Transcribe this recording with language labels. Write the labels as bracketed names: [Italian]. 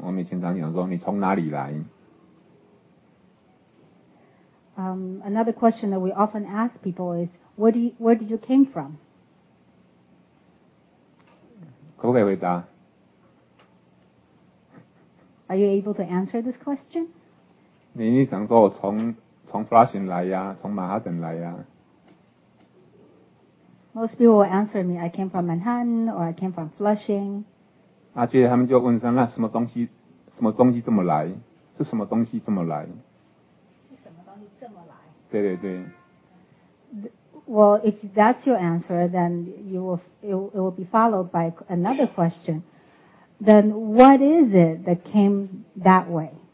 [Chinese] 类似很多语言他们都一样比如说我们以前常讲说你从哪里来 [English] Another question that we often ask people is where did you came from? [Chinese] 可不可以回答? [English] Are you able to answer this question? [Chinese] 你想说我从 Flushing来呀 从马哈顿来呀 [English] Most people will answer me, I came from Manhattan, or I came from Flushing. [Chinese] 那接着他们就问说,那什么东西这么来?是什么东西这么来? 是什么东西这么来? 对对对。 [English] Well, if that's your answer, then it will be followed by another question. Then what is it that came that way?